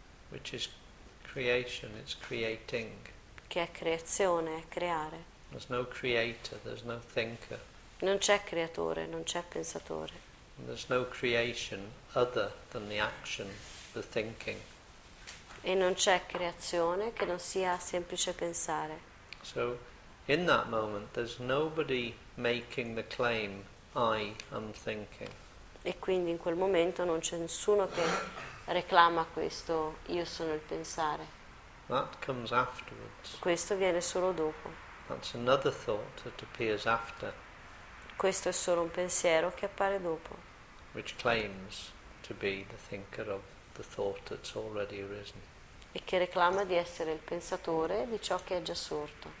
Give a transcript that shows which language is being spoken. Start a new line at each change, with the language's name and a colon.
English: Which is creation, it's creating.
Italian: Che è creazione, è creare.
English: There's no creator, there's no thinker.
Italian: Non c'è creatore, non c'è pensatore.
English: And there's no creation other than the action, the thinking.
Italian: E non c'è creazione che non sia semplice pensare.
English: So, in that moment, there's nobody making the claim, I am thinking.
Italian: E quindi in quel momento non c'è nessuno che reclama questo, io sono il pensare.
English: That comes afterwards.
Italian: Questo viene solo dopo.
English: That's another thought that appears after.
Italian: Questo è solo un pensiero che appare dopo.
English: Which claims to be the thinker of the thought that's already arisen.
Italian: E che reclama di essere il pensatore di ciò che è già sorto.